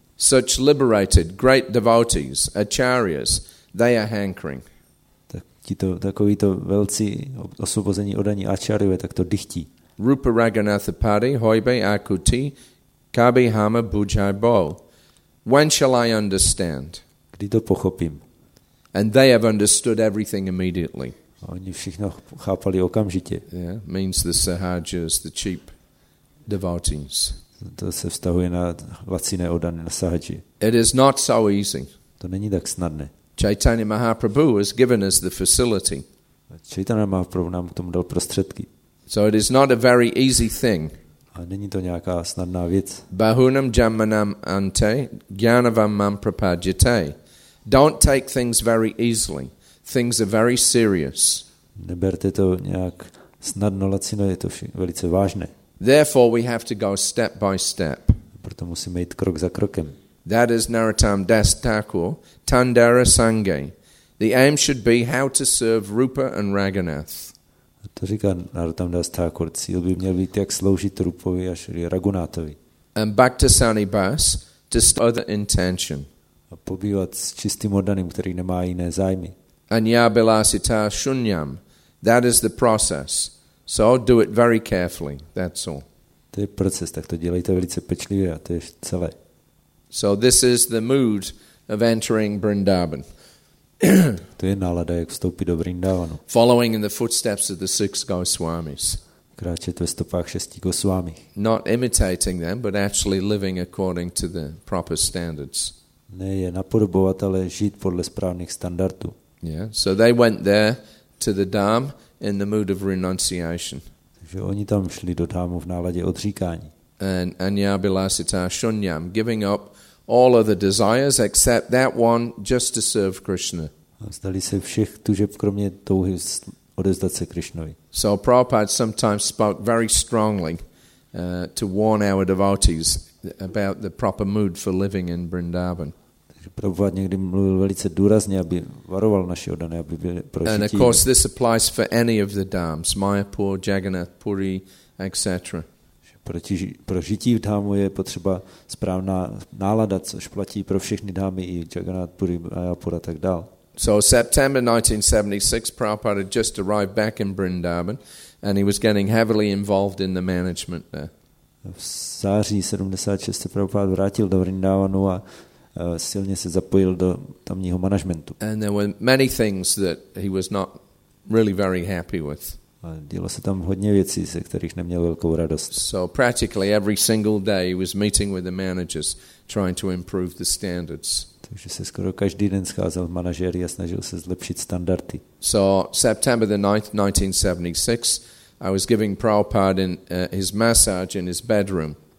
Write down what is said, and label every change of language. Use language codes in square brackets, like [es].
[en] Such liberated, great devotees, acharyas, they are hankering. [cs] Takovýto velcí osvobození odaní acharyové, tak to dychtí. [bn] Rupa Raghunatha Pari, hojbe akuti, kabi hama bujai bo. [en] When shall I understand? [cs] Kdy to pochopím? [en] And they have understood everything immediately. [cs] Oni všechno chápali okamžitě. [en] Yeah, means the sahajas, the cheap devotees. [cs] To se vztahuje na laciné odany, na sahaji. [en] It is not so easy. [cs] To není tak snadné. [en] Chaitanya Mahaprabhu has given us the facility. [cs] Chaitanya Mahaprabhu nám k tomu dal prostředky. [en] So it is not a very easy thing. [cs] A není to nějaká snadná věc. [sa] Bahunam jammanam ante gyanavam mam prapadyate. [en] Don't take things very easily. Things are very serious. [cs] Neberte to nějak snadno, lacino, je to velice vážné. [en] Therefore we have to go step by step. [cs] Proto musíme jít krok za krokem. [en] That is Narottam Das Thakur, Tandara Sange. The aim should be how to serve Rupa and Raghunath. [cs] To říká Narottam Das Thakur, cíl by měl být, jak sloužit Rupovi a Shri Raghunathovi. [en] And Bhaktasani Bas, to start other intention. [cs] A pobývat s čistým oddaným, který nemá jiné zájmy. [en] And [sa] Yabilasita Shunyam, [en] that is the process. So do it very carefully, that's all. [cs] To je proces, tak to dělejte velice pečlivě a to je celé. [en] So this is the mood of entering Vrindavan. [cs] To je nálada, jak vstoupit do Vrindavanu. [en] Following in the footsteps of the six Goswamis. [cs] Kráčet ve stopách šesti Goswami. [en] Not imitating them, but actually living according to the proper standards. [cs] Ne je napodobovat, ale žít podle správných standardů. [en] Yeah. So they went there to the dam in the mood of renunciation. [cs] Takže oni tam šli do dámu v náladě odříkání. [en] And [sa] Anya Bilasita Shunyam, [en] giving up all other desires except that one, just to serve Krishna. [cs] Zdali se všech tužeb kromě touhy odevzdat se Krishnovi. [en] So Prabhupada sometimes spoke very strongly to warn our devotees about the proper mood for living in Vrindavan. [cs] Prabhupada někdy mluvil velice důrazně, aby varoval naše oddané, aby byli prožití. [en] And of course this applies for any of the dhams, Mayapur, Jagannath, Puri, etc. [cs] Pro žití v dhámu je potřeba správná nálada, což platí pro všechny dhámy i Jagannath, Puri, Mayapur a tak dál. [en] So September 1976, Prabhupada had just arrived back in Vrindavan and he was getting heavily involved in the management there. [cs] V září 76 se Prabhupada vrátil do Vrindavanu a silně se zapojil do tamního managementu. [en] And there were many things that he was not really very happy with. [cs] A dělo se tam hodně věcí, ze kterých neměl velkou radost. [en] So practically every single day he was meeting with the managers trying to improve the standards. [cs] Takže se skoro každý den scházel s manažery a snažil se zlepšit standardy. [en] So September the 9th, 1976, I was giving Prabhupada his massage in his bedroom.